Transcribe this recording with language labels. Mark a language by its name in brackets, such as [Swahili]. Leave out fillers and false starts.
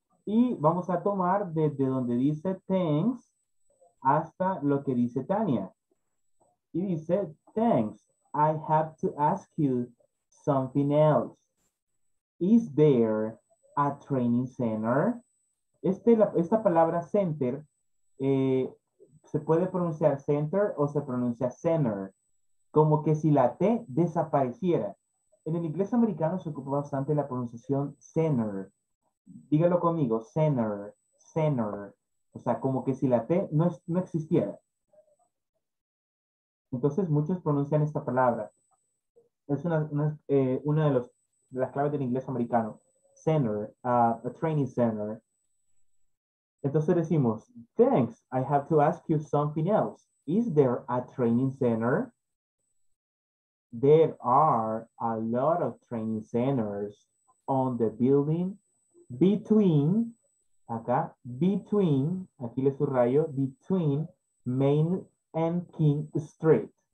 [Spanish] Y vamos a tomar desde donde dice thanks hasta lo que dice Tania. Y dice, [English] thanks, I have to ask you something else. Is there a training center? [Spanish] Esta palabra center, se puede pronunciar center o se pronuncia center. Como que si la T desapareciera. En el inglés americano se ocupa bastante la pronunciación center. Dígalo conmigo, center, center. O sea, como que si la T no existiera. Entonces, muchos pronuncian esta palabra. Es una de las claves del inglés americano. [English] Center, a training center. [Spanish] Entonces decimos, [English] thanks, I have to ask you something else. Is there a training center? There are a lot of training centers on the building between, acá, between, [Spanish] aquí le subrayo, [English] between Main and King Street.